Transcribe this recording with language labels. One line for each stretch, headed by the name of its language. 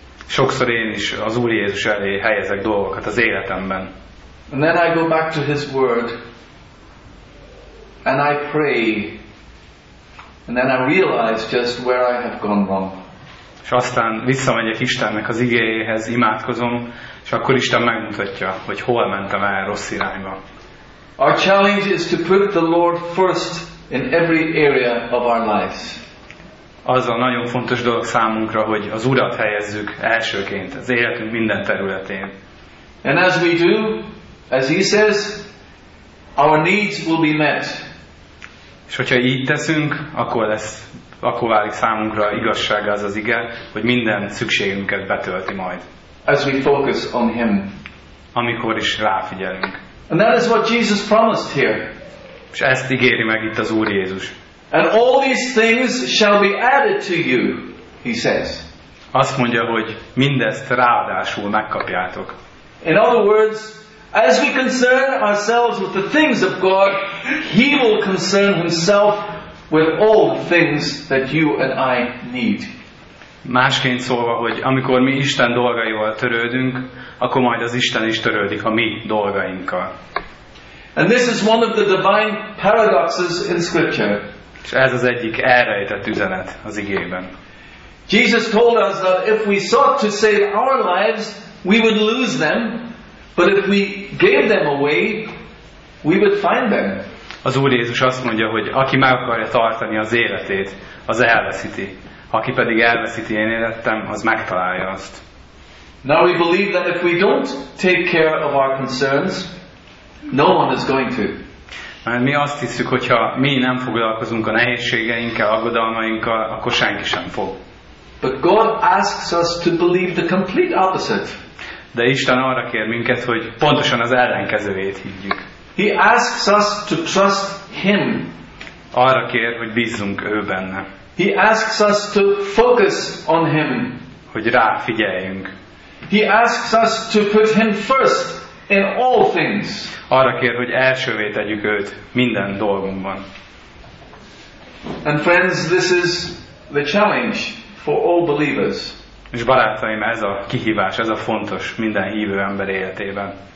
Hungarian: Sokszor én is az Úr Jézus elé helyezek dolgokat az életemben.
English: And then I go back to his word and I pray. And then I realize just where I have gone wrong.
Hungarian: És aztán visszamegyek Istennek az igéjéhez, imádkozom, és akkor Isten megmutatja, hogy hol mentem el rossz irányba.
English: Our challenge is to put the Lord first in every area of our lives.
Hungarian: Az a nagyon fontos dolog számunkra, hogy az Urat helyezzük elsőként az életünk minden területén.
English: And as we do, as he says, our needs will be met.
Hungarian: És hogyha így teszünk, akkor válik számunkra igazság az az ige, hogy minden szükségünket betölti majd.
English: As we focus on him.
Hungarian: Amikor is ráfigyelünk.
English: And that is what Jesus promised here.
Hungarian: És ezt ígéri meg itt az Úr Jézus.
English: And all these things shall be added to you, he says.
Hungarian: Azt mondja, hogy mindezt ráadásul megkapjátok.
English: In other words, as we concern ourselves with the things of God, he will concern himself with all the things that you and I need.
Hungarian: Másként szólva, hogy amikor mi Isten dolgaival törődünk, akkor majd az Isten is törődik a mi dolgainkkal.
English: And this is one of the divine paradoxes in scripture.
Hungarian: És ez az egyik elrejtett üzenet az igében.
English: Jesus told us that if we sought to save our lives, we would lose them. But if we gave them away, we would find them.
Hungarian: Az Úr Jézus azt mondja, hogy aki meg akarja tartani az életét, az elveszíti. Aki pedig elveszíti én életem, az megtalálja azt.
English: Now we believe that if we don't take care of our concerns, no one is going to.
Hungarian: Mert mi azt hiszük, hogyha mi nem foglalkozunk a nehézségeinkkel, aggodalmainkkal, akkor senki sem fog.
English: But God asks us to believe the complete opposite.
Hungarian: De Isten arra kér minket, hogy pontosan az ellenkezőjét higgyük.
English: He asks us to trust him.
Hungarian: Arra kér, hogy bízzunk ő benne.
English: He asks us to focus on him.
Hungarian: Hogy rá figyeljünk.
English: He asks us to put him first in all things.
Hungarian: Arra kér, hogy elsővé tegyük őt minden dolgunkban.
English: And friends, this is the challenge for all believers.
Hungarian: És barátaim, ez a kihívás, ez a fontos minden hívő ember életében.